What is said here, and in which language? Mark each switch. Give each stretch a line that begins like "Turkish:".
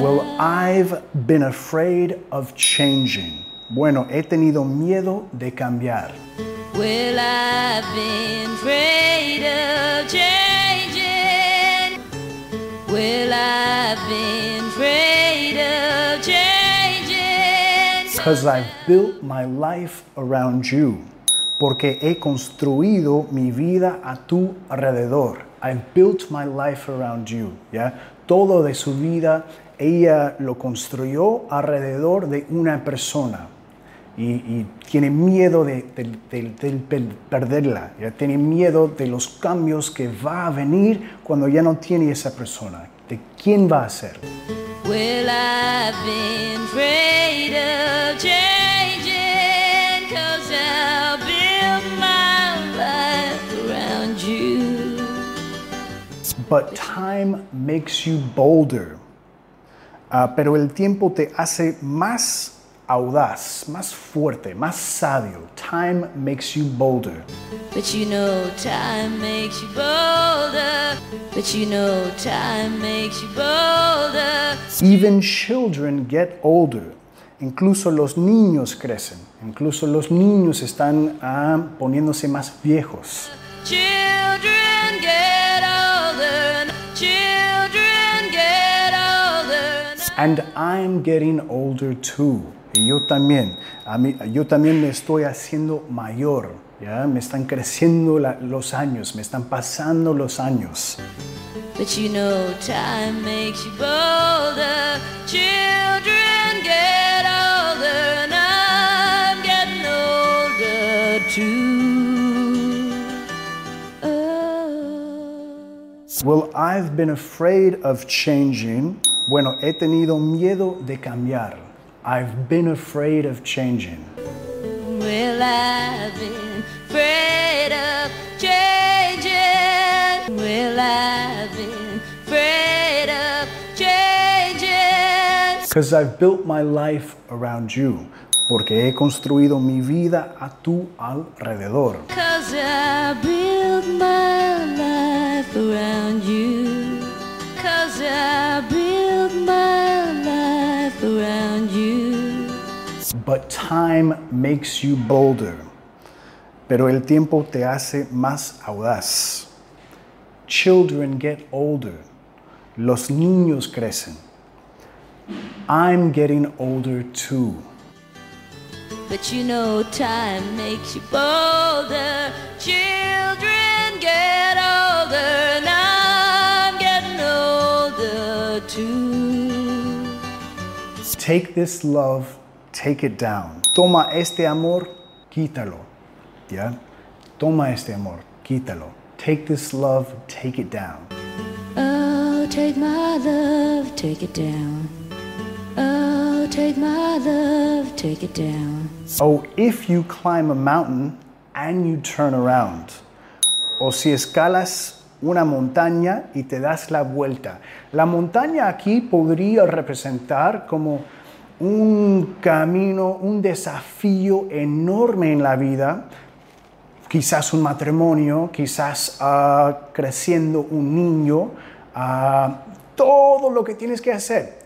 English: Well, I've been afraid of changing.
Spanish: Bueno, he tenido miedo de cambiar.
English: Well, I've been afraid of changing. Well, I've been afraid of changing. 'Cause I've built my life around you.
Spanish: Porque he construido mi vida a tu alrededor.
English: I've built my life around you. Yeah?
Spanish: Todo de su vida, ella lo construyó alrededor de una persona. Y tiene miedo de perderla. ¿Ya? Tiene miedo de los cambios que va a venir cuando ya no tiene esa persona. ¿De quién va a ser?
English: Well, I've been afraid of changing, 'cause I've built my life around you. But time makes you bolder.
Spanish: Pero el tiempo te hace más audaz, más fuerte, más sabio.
English: Time makes you bolder. But you know time makes you bolder. But you know time makes you bolder. Even children get older.
Spanish: Incluso los niños crecen. Incluso los niños están poniéndose más viejos.
English: Children get older. Children get older. And I'm getting older too.
Spanish: Y yo también. Yo también me estoy haciendo mayor. ¿Ya? Me están creciendo los años. Me están pasando los años.
English: But you know time makes you bolder. Children get older and I'm getting older too. Oh. Well, I've been afraid of changing.
Spanish: Bueno, he tenido miedo de cambiar.
English: I've been afraid of changing. Well, I've been afraid of changing. Well, I've been afraid of changing. 'Cause I've built my life around you.
Spanish: Porque he construido mi vida a tu alrededor.
English: 'Cause I've built my life around you. 'Cause I've built my life around you. But time makes you bolder.
Spanish: Pero el tiempo te hace más audaz.
English: Children get older.
Spanish: Los niños crecen.
English: I'm getting older too. But you know time makes you bolder. Children get older. And I'm getting older too. Take this love. Take it down.
Spanish: Toma este amor, quítalo.
English: Yeah?
Spanish: Toma este amor, quítalo.
English: Take this love, take it down. Oh, take my love, take it down. Oh, take my love, take it down. Oh, if you climb a mountain and you turn around.
Spanish: O si escalas una montaña y te das la vuelta. La montaña aquí podría representar como un camino, un desafío enorme en la vida, quizás un matrimonio, quizás creciendo un niño, todo lo que tienes que hacer.